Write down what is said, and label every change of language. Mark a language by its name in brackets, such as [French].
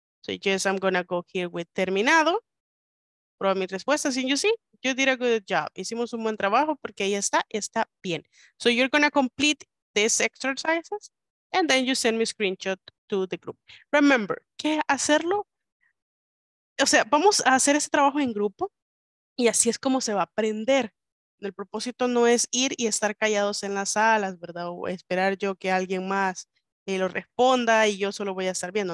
[English] So yes, I'm going to go here with terminado. [Spanish] Prueba mi respuesta. [English] Sin you see, you did a good job. [Spanish] Hicimos un buen trabajo porque ahí está, está bien. [English] So you're going to complete these exercises and then you send me a screenshot to the group. Remember, [Spanish] que hacerlo, o sea, vamos a hacer ese trabajo en grupo y así es como se va a aprender. El propósito no es ir y estar callados en las salas, ¿verdad? O esperar yo que alguien más lo responda y yo solo voy a estar viendo.